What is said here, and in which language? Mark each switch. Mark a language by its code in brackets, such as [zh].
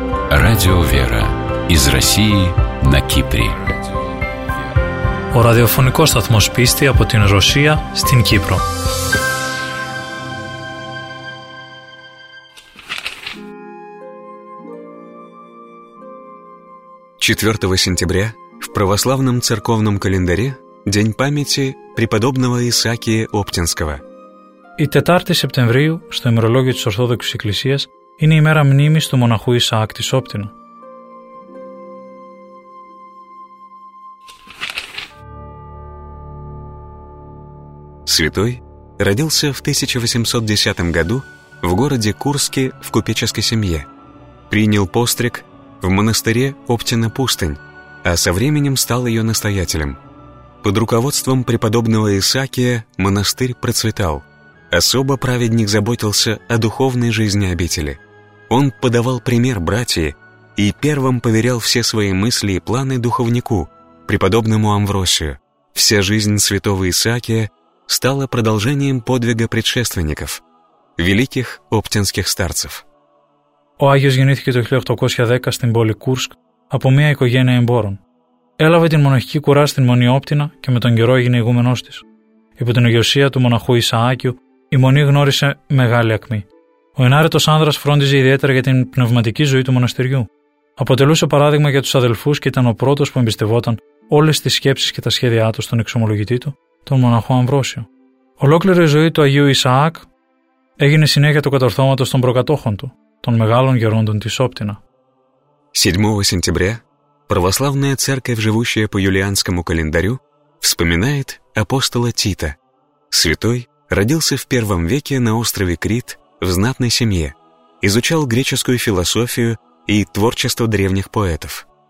[ru] Радио «Вера» из России на Кипре. [el] Ο ραδιοφωνικός σταθμός πίστη από την Ρωσία στην Κύπρο. [ru] Четвертого сентября в православном церковном календаре день памяти преподобного Исаакия Оптинского. [el] Η Τετάρτη Σεπτεμβρίου, στο ημερολόγιο της Ορθόδοξης Εκκλησίας, είναι η μέρα μνήμης του μοναχού Ισαάκ της Όπτινου. [ru] Святой родился в 1810 году в городе Курске в купеческой семье. Принял постриг в монастыре Оптина-Пустынь, а со временем стал ее настоятелем. Под руководством преподобного Исаакия монастырь процветал. Особо праведник заботился о духовной жизни обители. Он подавал пример братьям и первым поверял все свои мысли и планы духовнику, преподобному Амвросию. Вся жизнь святого Исаакия стала продолжением подвига предшественников, великих оптинских старцев. [el] Ο Άγιος γεννήθηκε το 1810 στην πόλη Κούρσκ από μια οικογένεια εμπόρων. Έλαβε την μοναχική κουρά στην Μονή Όπτινα και με τον καιρό έγινε ηγούμενός της. Υπό την ηγεσία του μοναχού Ισαάκιου, η Μονή γνώρισε μεγάλη ακμή. Ο ενάρετος άνδρας φρόντιζε ιδιαίτερα για την πνευματική ζωή του μοναστηριού. Αποτελούσε παράδειγμα για τους αδελφούς και ήταν ο πρώτος που εμπιστευόταν όλες τις σκέψεις και τα σχέδιά του στον εξομολογητή του, τον μοναχό Αμβρόσιο. Ολόκληρη η ζωή του Αγίου Ισαάκ έγινε συνέχεια του κατορθώματος των προκατόχων του, των μεγάλων γερόντων της Όπτινα. [ru] 7 сентября православная церковь, живущая по юлианскому календарю, вспоминает апостола Тита. Святой родился в первом веке на острове Крит в знатной семье, изучал греческую философию и творчество древних поэтов.